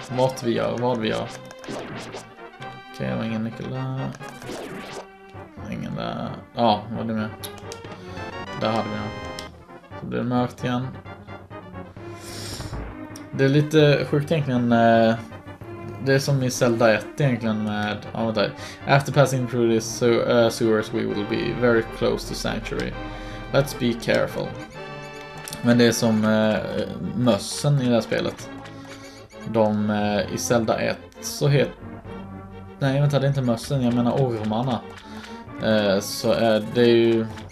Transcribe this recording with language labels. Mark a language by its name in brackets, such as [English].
[Swedish] Vad vi gör, vad vi gör. Okej, det var ingen nyckel där. Ingen där. Ja, var det med. Där hade vi den. Så blir det mörkt igen. Det är lite sjukt egentligen. Det är som i Zelda 1 egentligen med. Ja, vänta. [English] After passing through this sewers we will be very close to sanctuary. Let's be careful. [Swedish] Men det är som mössen i det här spelet. De i Zelda 1 så heter. Nej, vänta, det är inte mössen. Jag menar ormarna. Så är det ju.